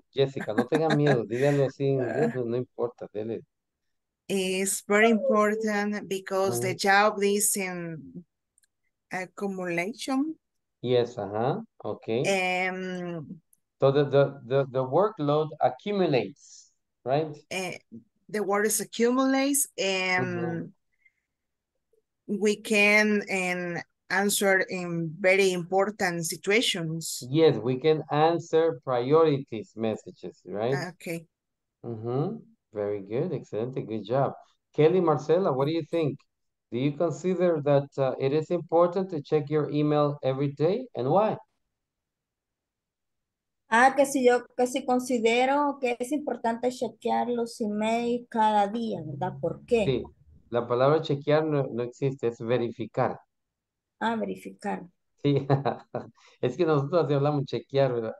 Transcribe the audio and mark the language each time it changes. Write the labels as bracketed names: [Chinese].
[Spanish] Jessica, no tenga miedo, dígalo así en inglés, no importa, dele. [English] It's very important because the job is in accumulation. Yes, ajá, uh-huh. Okay. So the workload accumulates, right? The work is accumulates and we can... and answer in very important situations. Yes, we can answer priorities messages, right? Okay. Mm-hmm. Very good, excellent, good job. Kelly, Marcela, what do you think? Do you consider that it is important to check your email every day and why? [Spanish] Ah, que si yo que si considero que es importante chequear los emails cada día, ¿verdad? ¿Por qué? Sí, la palabra chequear no existe, es verificar. Ah, verificar. Sí, es que nosotros así hablamos chequear, ¿verdad?